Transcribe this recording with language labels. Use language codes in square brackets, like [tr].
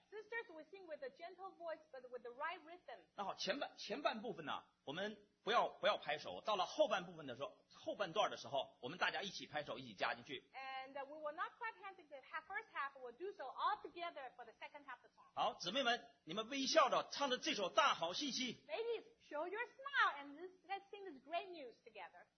[en] Sisters, we sing with a gentle voice, but with the right rhythm. [zh] 那好，前半部分呢，我们不要拍手。到了后半部分的时候，后半段的时候，我们大家一起拍手，一起加进去。 [en] And we will not clap hands in the first half. We'll do so all together for the second half of the song. [zh] 好，姊妹们，你们微笑着唱着这首大好信息。 [en] Ladies, show your smile and let's sing this great news together.